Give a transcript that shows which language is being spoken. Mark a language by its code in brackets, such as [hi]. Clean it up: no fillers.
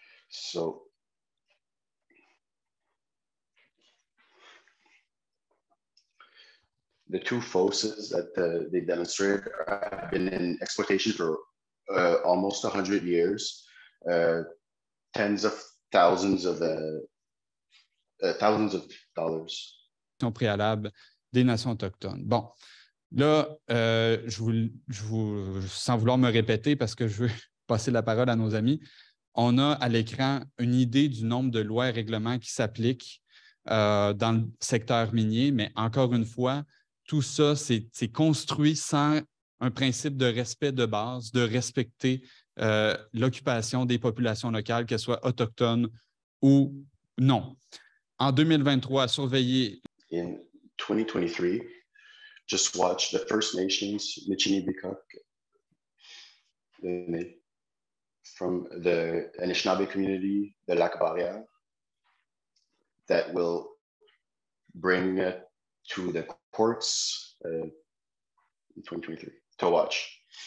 [en] So the two fosses that they demonstrated have been in exploitation for almost 100 years, tens of thousands of thousands of dollars. [fr] Au préalable des nations autochtones. Bon, là, sans vouloir me répéter parce que je veux passer la parole à nos amis, on a à l'écran une idée du nombre de lois et règlements qui s'appliquent dans le secteur minier, mais encore une fois, tout ça, c'est construit sans un principe de respect de base, de respecter l'occupation des populations locales, qu'elles soient autochtones ou non. En 2023, à surveiller... [en] In 2023, just watch the First Nations, Michinibikuk, from the Anishinaabe community, the Lac Barrière, that will bring to the courts in 2023, to watch.